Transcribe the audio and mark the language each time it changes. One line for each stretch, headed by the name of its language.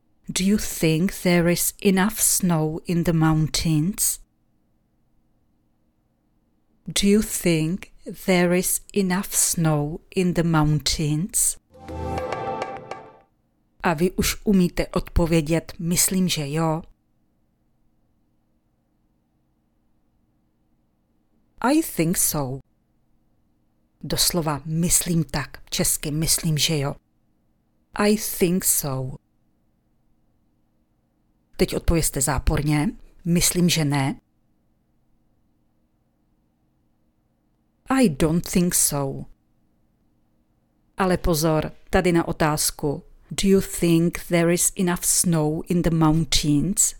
English: Do you think there is enough snow in the mountains? Do you think there is enough snow in the mountains?
Czech: A vy už umíte odpovědět, myslím, že jo.
English: I think so.
Czech: Doslova myslím tak, česky myslím, že jo.
English: I think so.
Czech: Teď odpovězte záporně, myslím, že ne.
English: I don't think so.
Czech: Ale pozor, tady na otázku.
English: Do you think there is enough snow in the mountains?